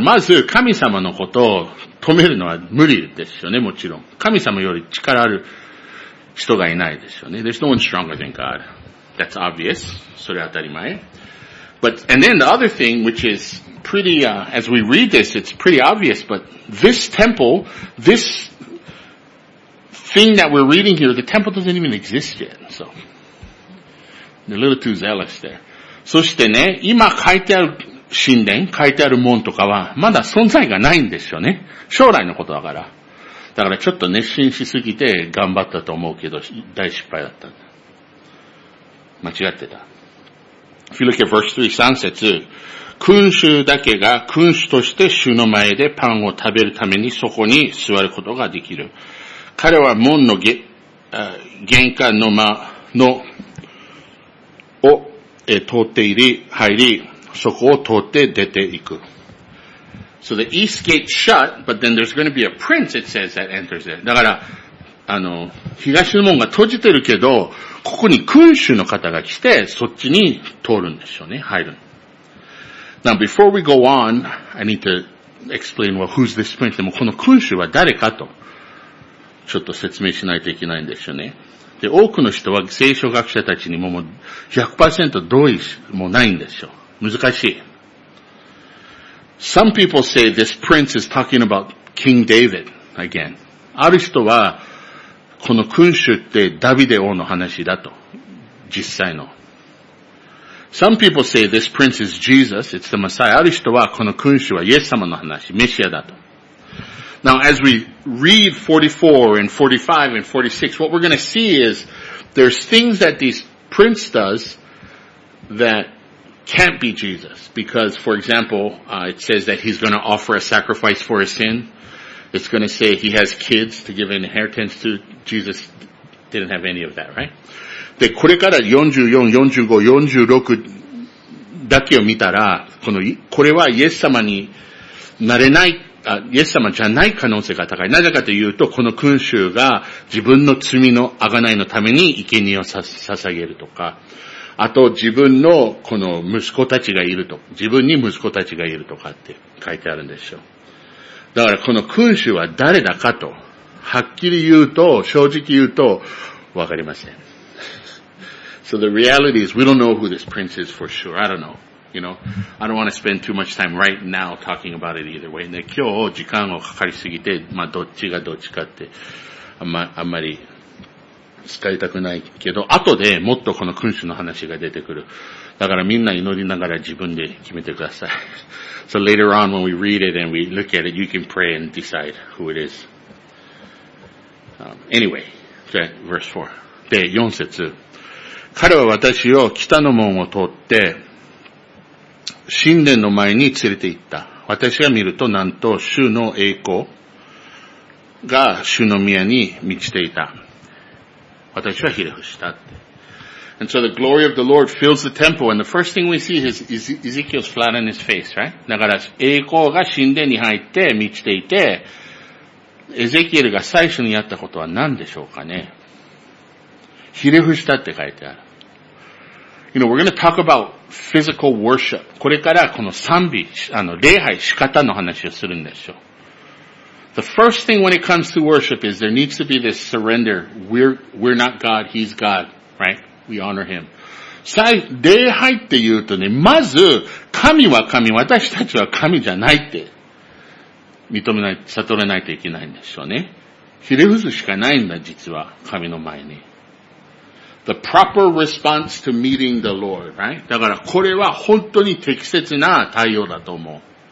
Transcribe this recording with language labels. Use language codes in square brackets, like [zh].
[ja] まず神様のことを止めるのは無理ですよね、もちろん。神様より力ある人がいないですよね。 [en] There's no one stronger than God. That's obvious. [ja] それは当たり前。 [en] But, and then the other thing, which is pretty, as we read this, it's pretty obvious, but this temple, this thing that we're reading here, the temple doesn't even exist yet, so. A little too zealous there. [ja] そしてね、今書いてある神殿、書いてある門とかは、まだ存在がないんですよね。将来のことだから。だからちょっと熱心しすぎて頑張ったと思うけど、大失敗だったんだ。間違ってた。 [en] If you look at verse 3, [ja] 3節、君主だけが君主として主の前でパンを食べるためにそこに座ることができる。彼は門の玄関の間の、を、通って入り、そこを通って出ていく。 [en] So the east gate shut, but then there's going to be a prince, it says, that enters it. [ja] だから、東の門が閉じてるけど、ここに君主の方が来て、そっちに通るんでしょうね、入る。 [en] Now before we go on, I need to explain well, who's this prince, [ja] でもこの君主は誰かと、ちょっと説明しないといけないんでしょうね。で、多くの人は聖書学者たちにも 100% 同意もないんですよ。難しい。 [en] Some people say this prince is talking about King David again. [ja] ある人は、この君主ってダビデ王の話だと。実際の。 [en] Some people say this prince is Jesus, it's the Messiah. [ja] ある人は、この君主はイエス様の話、メシアだと。 [en] Now as we read 44 and 45 and 46, what we're going to see is there's things that this prince does that can't be Jesus. Because, for example, it says that he's going to offer a sacrifice for his sin. It's going to say he has kids to give an inheritance to. Jesus didn't have any of that, right? [ja] で、これから44、45、46だけを見たら、これはイエス様になれない。イエス様じゃない可能性が高い。なぜかというと、この君主が自分の罪の贖いのために生贄を捧げるとか、あと自分のこの息子たちがいると、自分に息子たちがいるとかって書いてあるんでしょう。だからこの君主は誰だかと、はっきり言うと、正直言うと、わかりません。 [en] So the reality is we don't know who this prince is for sure. I don't know. You know, I don't want to spend too much time right now talking about it either way. [ja] で、今日時間をかかりすぎて、まあ、どっちがどっちかって、あんまり、使いたくないけど、後でもっとこの君主の話が出てくる。だからみんな祈りながら自分で決めてください。 [en] So later on when we read it and we look at it, you can pray and decide who it is. Anyway, verse 4. [ja] で、4節。彼は私を北の門を通って、神殿の前に連れて行った。私が見ると、なんと、主の栄光が主の宮に満ちていた。私はひれ伏したって。 [en] And so the glory of the Lord fills the temple, and the first thing we see is Ezekiel's flat on his face, right? [ja] だから、栄光が神殿に入って満ちていて、エゼキエルが最初にやったことは何でしょうかね。ひれ伏したって書いてある。 [en] You know, we're going to talk about physical worship. [ja] これからこの賛美、礼拝仕方の話をするんでしょう。 [en] The first thing when it comes to worship is there needs to be this surrender. We're not God, He's God, right? We honor Him. [ja] 礼拝って言うとね、まず、神は神、私たちは神じゃないって認めない、悟れないといけないんでしょうね。ひれ伏すしかないんだ、実は、神の前に。 [en] The proper response to meeting the Lord, right? [ja] だからこれは本当に適切な対応だと思う。